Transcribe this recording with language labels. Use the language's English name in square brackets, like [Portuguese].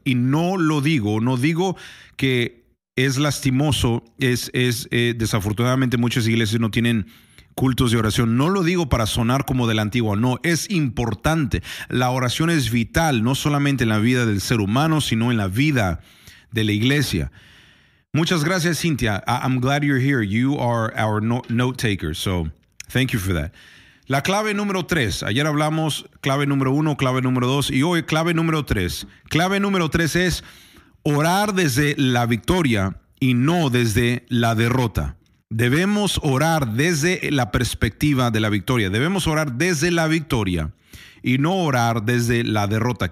[Spanish] Y no lo digo, no digo que es lastimoso, es desafortunadamente muchas iglesias no tienen cultos de oración. No lo digo para sonar como de la antigua, no, es importante. La oración es vital, no solamente en la vida del ser humano, sino en la vida de la iglesia. Muchas gracias, [English] Cynthia. I'm glad you're here. You are our note taker, so thank you for that. [Spanish] La clave número 3. Ayer hablamos clave número 1, clave número 2, y hoy clave número 3. Clave número 3 es orar desde la victoria y no desde la derrota. Debemos orar desde la perspectiva de la victoria. Debemos orar desde la victoria y no orar desde la derrota.